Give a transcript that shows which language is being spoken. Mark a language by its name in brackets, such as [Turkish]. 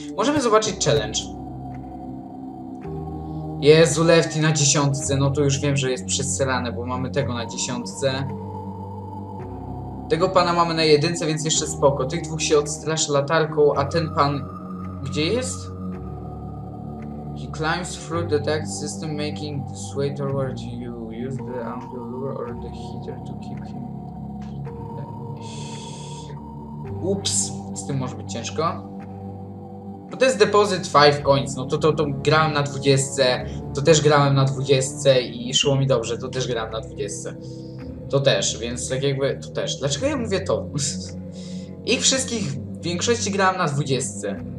[Polish] Możemy zobaczyć challenge. Jezu, Lefty na 10. No to już wiem, że jest przesrane, bo mamy tego na 10. Tego pana mamy na 1, więc jeszcze spoko. Tych dwóch się odstraszy latarką, a ten pan... Gdzie jest? [English] He climbs through the deck system making the sway toward you. Use the lure or the heater to keep him... [Polish] Ups, z tym może być ciężko. Bo to jest deposit 5 coins, no to grałem na 20, to też grałem na 20 i szło mi dobrze, to też grałem na 20. To też, więc tak jakby, to też. Dlaczego ja mówię to? Ich wszystkich, w większości grałem na 20.